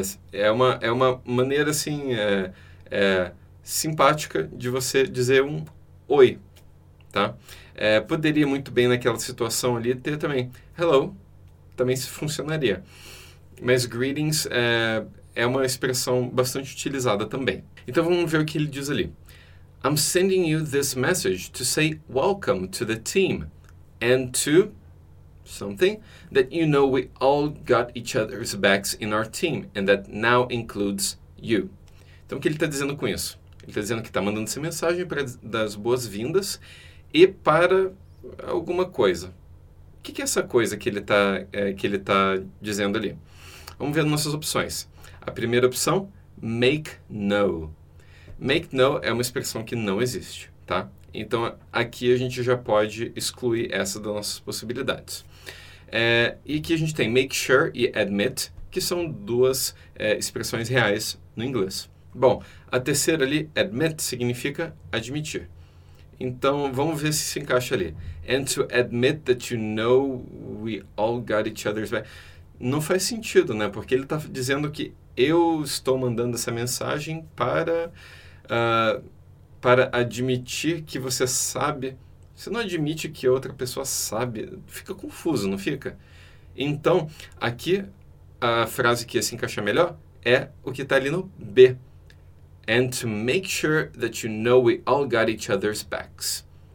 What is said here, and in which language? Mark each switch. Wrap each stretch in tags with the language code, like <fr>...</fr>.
<pt>É uma maneira assim, simpática de você dizer um oi. Tá? Poderia muito bem naquela situação ali ter também hello, também se funcionaria. Mas greetings é uma expressão bastante utilizada também. Então vamos ver o que ele diz ali.</pt> <en>I'm sending you this message to say welcome to the team and to something that you know we all got each other's backs in our team and that now includes you.</en> <pt>Então o que ele está dizendo com isso? Ele está dizendo que está mandando essa mensagem para dar as boas-vindas e para alguma coisa. O que é essa coisa que ele está dizendo ali? Vamos ver nossas opções. A primeira opção, make no. Make no é uma expressão que não existe, tá? Então, aqui a gente já pode excluir essa das nossas possibilidades. E aqui a gente tem make sure e admit, que são duas expressões reais no inglês. Bom, a terceira ali, admit, significa admitir. Então, vamos ver se se encaixa ali.</pt> <en>And to admit that you know we all got each other's back.</en> <pt>Não faz sentido, né? Porque ele está dizendo que eu estou mandando essa mensagem para admitir que você sabe. Você não admite que outra pessoa sabe. Fica confuso, não fica? Então, aqui, a frase que ia se encaixar melhor é o que está ali no B.</pt> <en>And to make sure that you know we all got each other's backs.</en>